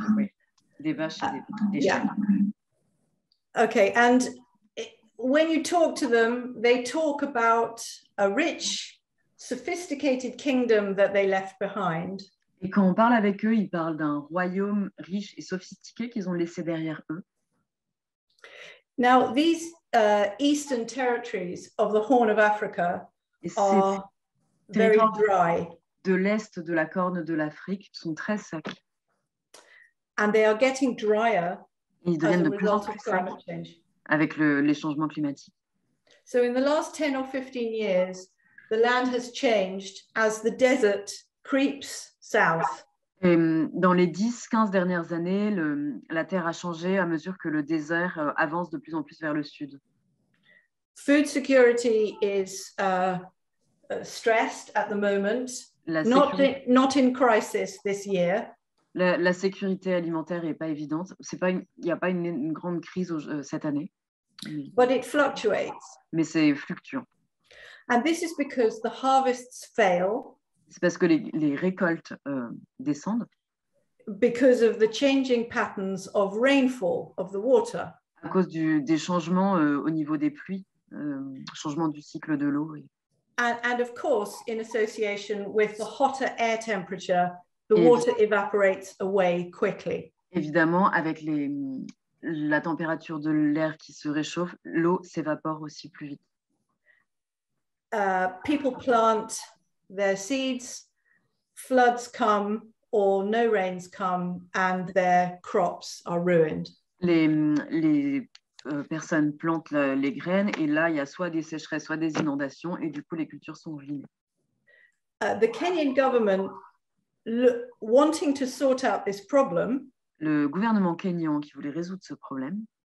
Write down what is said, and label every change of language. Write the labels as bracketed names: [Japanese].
[French] Oui. Des vaches et des chèvres. [English] Okay, and when you talk to them, they talk about a rich, sophisticated kingdom that they left behind. [French] Et quand on parle avec eux, ils parlent d'un royaume riche et sophistiqué qu'ils ont laissé derrière eux. [English] Now, these eastern territories of the Horn of Africa are very dry. [French] De l'est de la Corne de l'Afrique sont très secs. [English] And they are getting drier. [French] Ils deviennent de plus en plus secs avec les changements climatiques. [English] So in the last 10 or 15 years, the land has changed as the desert creeps south. [French] Et dans les 10-15 dernières années, la terre a changé à mesure que le désert avance de plus en plus vers le sud. [English] Food security is stressed at the moment. Not in crisis this year. [French] La sécurité alimentaire n'est pas évidente. Il n'y a pas une grande crise cette année. [English] But it fluctuates. [French] Mais c'est fluctuant. [English] And this is because the harvests fail. [French] C'est parce que les récoltes descendent. [English] Because of the changing patterns of rainfall of the water. [French] À cause des changements au niveau des pluies, changement du cycle de l'eau. Et... [English] And of course, in association with the hotter air temperature, the water evaporates away quickly. [French] Évidemment, avec la température de l'air qui se réchauffe, l'eau s'évapore aussi plus vite. [English] People plant their seeds, floods come or no rains come and their crops are ruined. [French] Les personnes plantent les graines et là, il y a soit des sécheresses, soit des inondations et du coup, les cultures sont ruinées. [English] The Kenyan government wanting to sort out this problem, [French] le gouvernement kényan qui voulait résoudre ce problème,